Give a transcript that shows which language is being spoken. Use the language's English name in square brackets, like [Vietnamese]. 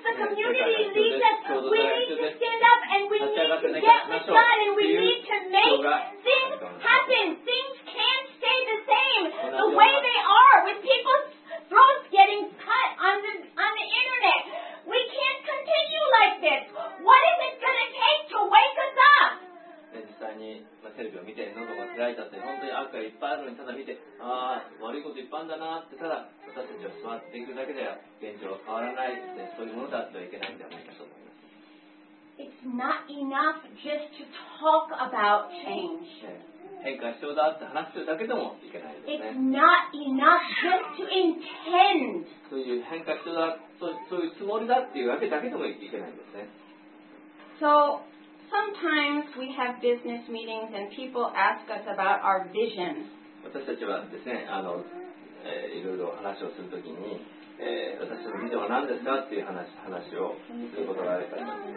[English] The community needs us. We need to stand up and we need to get with God and we need to make things happen. Things can't stay the same the way they are with people's throats getting cut on the internet. We can't continue like this. What is it going to take to wake us up? [Japanese] 実際に、まあ、テレビを見て喉が開いたって本当に悪がいっぱいあるのにただ見てああ悪いこといっぱいあるんだなってただ私たちは座っていくだけでは現状は変わらないってそういうものだってはいけないんじゃないかと思います。 [English] It's not enough just to talk about change. [Japanese] 変化が必要だって話してるだけでもいけないですね。 [English] It's not enough just to intend. [Japanese] そういう変化が必要だそういうつもりだっていうわけだけでもいけないんですね。 [English] SoSometimes we have business meetings and people ask us about our vision. [Japanese] 私たちはですね、いろいろ話をするときに、私たちのビジョンは何ですかっていう話をすることがあるから、